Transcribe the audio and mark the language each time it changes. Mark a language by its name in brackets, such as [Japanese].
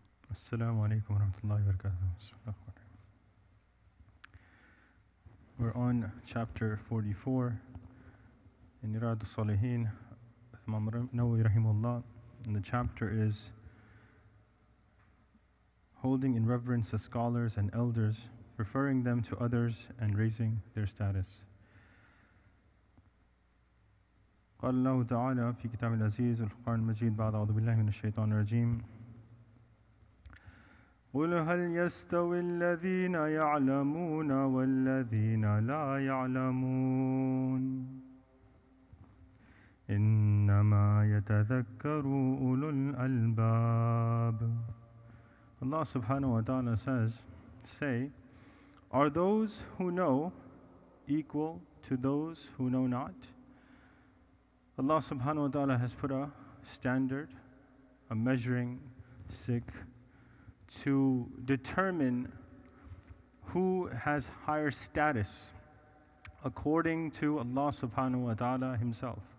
[Arabic] السلام عليكم ورحمة الله وبركاته. [English] We're on chapter 44 in إرادة الصالحين إمام النووي [Arabic] رحمه الله. [English] And the chapter is holding in reverence the scholars and elders, referring them to others and raising their status. [Arabic] قال الله تعالى في كتاب العزيز والقرآن المجيد بعد أعوذ بالله من الشيطان الرجيم قل هل يستوي الذين يعلمون والذين لا يعلمون إنما يتذكر أولو الألباب. [English] Allah subhanahu wa ta'ala says, are those who know equal to those who know not? Allah subhanahu wa ta'ala has put a standard, a measuring stick to determine who has higher status according to Allah subhanahu wa ta'ala himself.